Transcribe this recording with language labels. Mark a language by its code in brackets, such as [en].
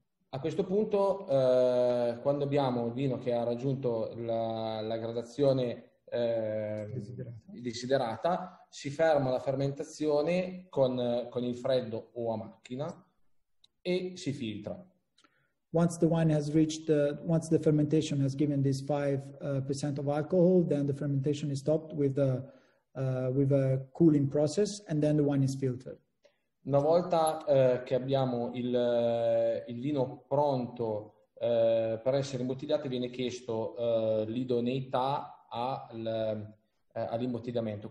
[it] A questo punto, quando abbiamo il vino che ha raggiunto la gradazione desiderata, si ferma la fermentazione con il freddo o a macchina e si filtra. [en] Once the wine has reached, once the fermentation has given this 5% of alcohol, then the fermentation is stopped with a cooling process and then the wine is filtered. [it] Una volta che abbiamo il vino pronto per essere imbottigliato, viene chiesto l'idoneità all'imbottigliamento.